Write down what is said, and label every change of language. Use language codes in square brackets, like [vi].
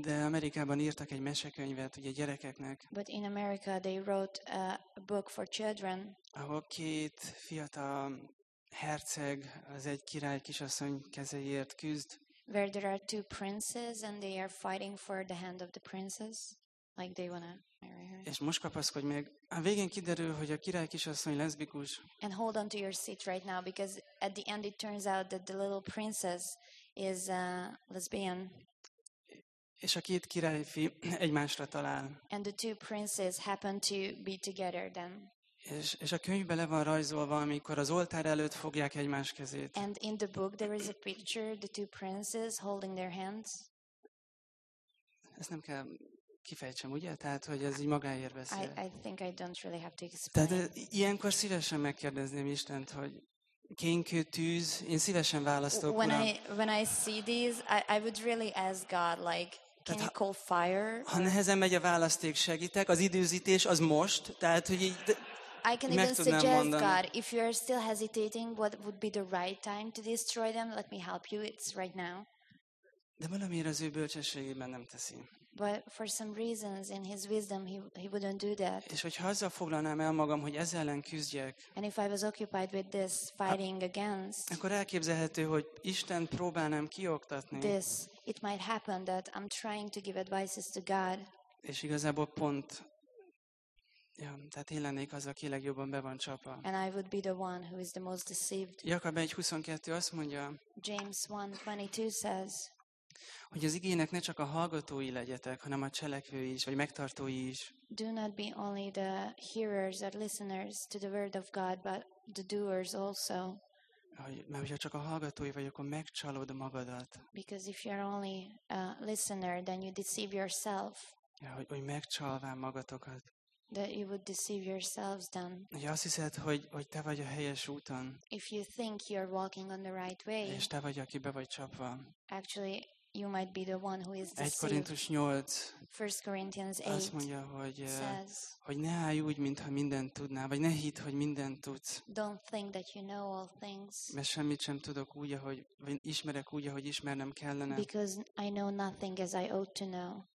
[hu] De Amerikában írtak egy mesekönyvet, ugye gyerekeknek. [en] But in America they wrote a book for children. [hu] Ahol két fiatal herceg az egy király kisasszony kezéért küzd. [en] Where there are two princes and they are fighting for the hand of the princess, like they wanna marry her. [hu] És most kapaszkodj meg. A végén kiderül, hogy a király kisasszony leszbikus. [en] And hold on to your seat right now, because at the end it turns out that the little princess is a lesbian. [hu] És a két királyfi egymásra talál. [en] And the two princes happen to be together then. [hu] És a könyvben le van rajzolva, amikor az oltár előtt fogják egymás kezét. [en] And in the book there is a picture, the two princes holding their hands. [hu] Ezt nem kell kifejtsem, ugye? Tehát, hogy ez így magáért beszél. [en] I think I don't really have to explain. [hu] Tehát ilyenkor szívesen megkérdezném Istent, hogy kénkő, tűz, én szívesen választok. [en] When I see these, I would really ask God, like, can you call fire? [hu] Ha nehezen megy a választék, segítek, az időzítés az most, tehát, hogy így... [en] I can even suggest, God, if you are still hesitating, what would be the right time to destroy them? Let me help you. It's right now. [hu] De valamiért az ő bölcsességében nem teszi. [en] But for some reasons, in his wisdom, he wouldn't do that. [hu] És hogyha azzal foglalnám el magam, hogy ez ellen küzdjek. [en] And if I was occupied with this fighting against. [hu] Akkor elképzelhető, hogy Isten próbálnám kioktatni. [en] This, it might happen that I'm trying to give advices to God. [hu] És igazából pont. Ja, tehát én lennék az, aki legjobban be van csapva. [en] And I would be the one who is the most deceived. [hu] Jakab 1:22 azt mondja. [en] James 1:22 says. [hu] Hogy az igének ne csak a hallgatói legyetek, hanem a cselekvői is, vagy megtartói is. [en] Do not be only the hearers or listeners to the word of God, but the doers also. [hu] Mert hogyha csak a hallgatói vagy, akkor megcsalod magadat. [en] Because if you are only a listener, then you deceive yourself. [hu] Ja, hogy megcsalván magatokat. [en] That you would deceive yourselves then. [hu] Ja, azt hiszed, hogy te vagy a helyes úton. [en] If you think you're walking on the right way. [hu] És te vagy, aki be vagy csapva. [en] Actually, you might be the one who is deceived. [hu] 1 Korintus 8. [en] 1 Corinthians 8. [hu] Azt mondja, hogy ne állj úgy, mintha mindent tudnál, vagy ne hidd, hogy mindent tudsz. [en] Don't think that you know all things. [hu] Mert semmit sem tudok úgy, ahogy ismerek úgy, ahogy ismernem kellene. [en] Because I know nothing as I ought to know.